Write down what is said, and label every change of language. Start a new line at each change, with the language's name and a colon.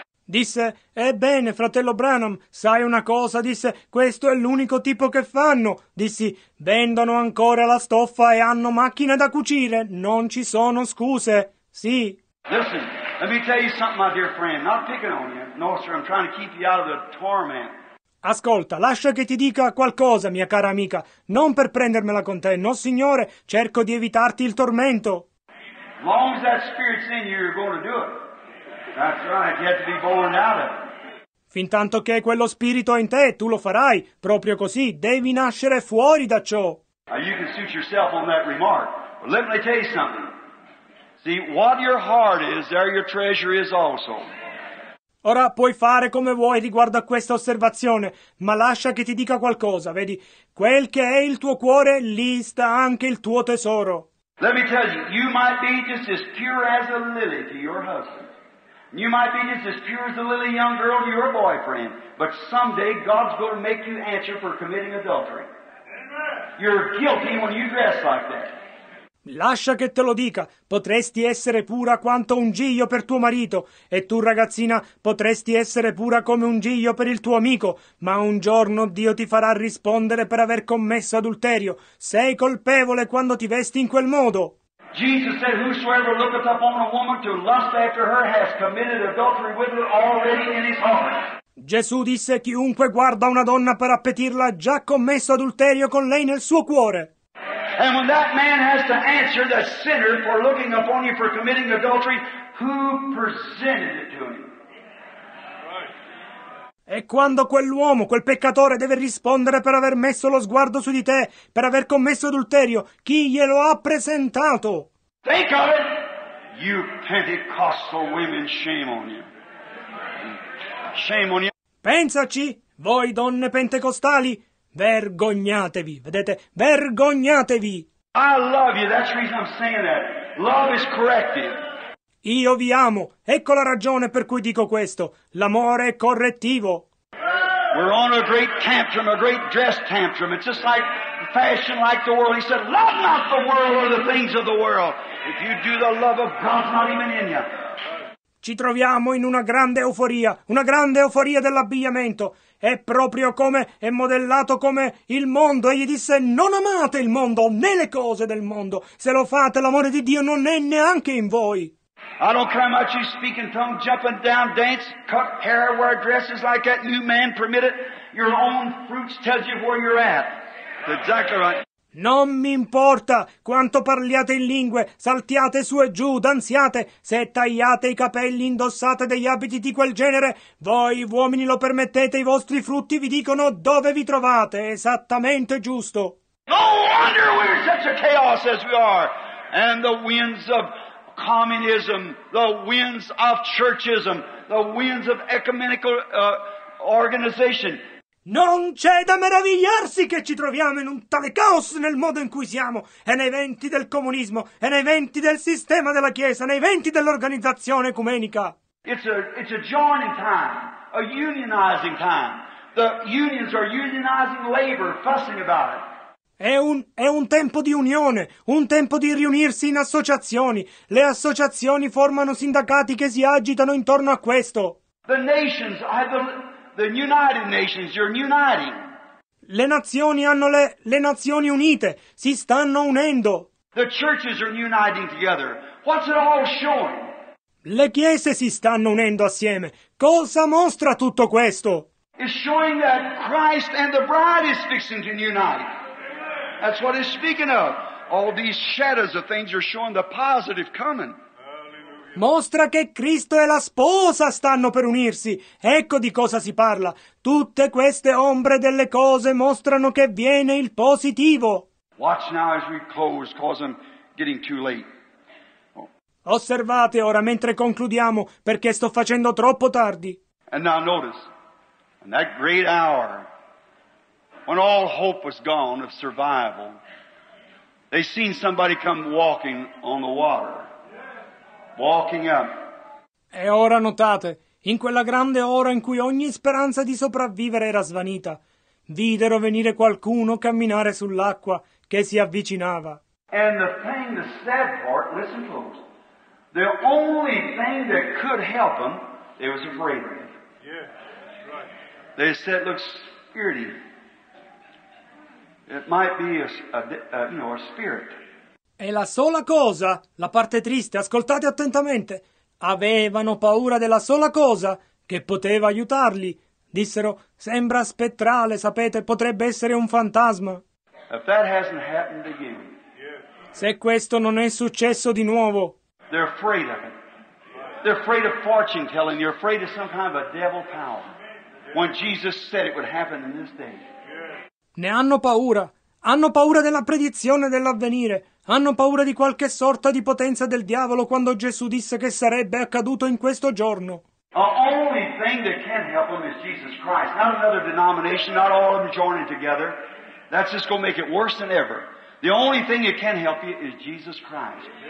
Italian: Disse, ebbene, fratello Branham, sai una cosa? Disse, questo è l'unico tipo che fanno. Dissi, vendono ancora la stoffa e hanno macchine da cucire. Non ci sono scuse. Sì.
English: Listen, let me tell you something, my dear friend. Not picking on you. No, sir, I'm trying to keep you out of the torment.
Italian: Ascolta, lascia che ti dica qualcosa, mia cara amica. Non per prendermela con te. No, signore, cerco di evitarti il tormento.
English: As long as that spirit's in you, you're going to do it. That's right, you have to be born out of it.
Italian: Fin tanto che quello spirito è in te, tu lo farai, proprio così, devi nascere fuori da ciò.
English: You can suit yourself on that remark, but let me tell you something. See, what your heart is, there your treasure is also.
Italian: Ora puoi fare come vuoi riguardo a questa osservazione, ma lascia che ti dica qualcosa, vedi? Quel che è il tuo cuore, lì sta anche il tuo tesoro.
English: Let me tell you, you might be just as pure as a lily to your husband. You might be just as pure as a lily young girl to your boyfriend, but someday God's going to make you answer for committing adultery. You're guilty when you dress like that.
Italian: Lascia che te lo dica, potresti essere pura quanto un giglio per tuo marito, e tu ragazzina potresti essere pura come un giglio per il tuo amico, ma un giorno Dio ti farà rispondere per aver commesso adulterio. Sei colpevole quando ti vesti in quel modo.
English: Jesus said, whosoever looketh upon a woman to lust after her has committed adultery with her already in his heart.
Italian: Gesù disse, chiunque guarda una donna per appetirla ha già commesso adulterio con lei nel suo cuore.
English: And when that man has to answer the sinner for looking upon you for committing adultery, who presented it to him?
Italian: E quando quell'uomo, quel peccatore, deve rispondere per aver messo lo sguardo su di te, per aver commesso adulterio, chi glielo ha presentato?
English: Think of it! You Pentecostal women, shame on you. Shame on you.
Italian: Pensaci, voi donne pentecostali, vergognatevi, vedete? Vergognatevi!
English: I love you, that's the reason I'm saying that. Love is corrective.
Italian: Io vi amo, ecco la ragione per cui dico questo. L'amore è correttivo.
English: We're on a great tantrum, a great dress tantrum. It's just like fashion like the world. He said, love not the world or the things of the world. If you do, the love of God's not even in you.
Italian: Ci troviamo in una grande euforia dell'abbigliamento. È proprio come, è modellato come il mondo. Egli disse, non amate il mondo, né le cose del mondo. Se lo fate, l'amore di Dio non è neanche in voi.
English: I don't care how much you speak in tongues, jump and down, dance, cut hair, wear dresses like that new man permitted. Your own fruits tells you where you're at. That's exactly right.
Italian: Non mi importa quanto parliate in lingue, saltiate su e giù, danziate, se tagliate i capelli, indossate degli abiti di quel genere, voi uomini lo permettete, i vostri frutti vi dicono dove vi trovate, esattamente giusto.
English: No wonder we're in such a chaos as we are. And the winds of communism, the winds of churchism, the winds of ecumenical organization.
Italian: Non c'è da meravigliarsi che ci troviamo in un tale caos nel modo in cui siamo, e nei venti del comunismo, e nei venti del sistema della Chiesa, nei venti dell'organizzazione ecumenica.
English: It's a joining time, a unionizing time. The unions are unionizing labor, fussing about it.
Italian: È un tempo di unione, un tempo di riunirsi in associazioni. Le associazioni formano sindacati che si agitano intorno a questo.
English: The nations, the United Nations, you're uniting.
Italian: Le nazioni hanno le Nazioni Unite, si stanno unendo.
English: The churches are uniting together. What's it all showing?
Italian: Le chiese si stanno unendo assieme. Cosa mostra tutto questo?
English: It's showing that Christ and the bride is fixing to unite. That's what it's speaking of. All these shadows of things are showing the positive coming.
Italian: Mostra che Cristo e la sposa stanno per unirsi. Ecco di cosa si parla. Tutte queste ombre delle cose mostrano che viene il positivo.
English: Watch now as we close, cause I'm getting too late.
Italian: Osservate ora mentre concludiamo, perché sto facendo troppo tardi.
English: And now notice, in that great hour, when all hope was gone of survival, they seen somebody come walking on the water. Walking up.
Italian: E ora notate, in quella grande ora in cui ogni speranza di sopravvivere era svanita, videro venire qualcuno camminare sull'acqua che si avvicinava.
English: And the thing, the sad part, listen close, the only thing that could help them, they was afraid of it. Yeah, right. They said it looks scary. It might be a spirit.
Italian: E la sola cosa, la parte triste, ascoltate attentamente. Avevano paura della sola cosa che poteva aiutarli. Dissero, sembra spettrale, sapete, potrebbe essere un fantasma.
English: If that hasn't happened again,
Italian: se questo non è successo di nuovo,
English: they're afraid of it. They're afraid of fortune telling. You're afraid of some kind of a devil power. When Jesus said it would happen in this day.
Italian: Ne hanno paura della predizione dell'avvenire, hanno paura di qualche sorta di potenza del diavolo quando Gesù disse che sarebbe accaduto in questo giorno.
English: The only thing that can help them is Jesus Christ, not another denomination, not all of them joining together. That's just going to make it worse than ever. The only thing that can help you is Jesus Christ.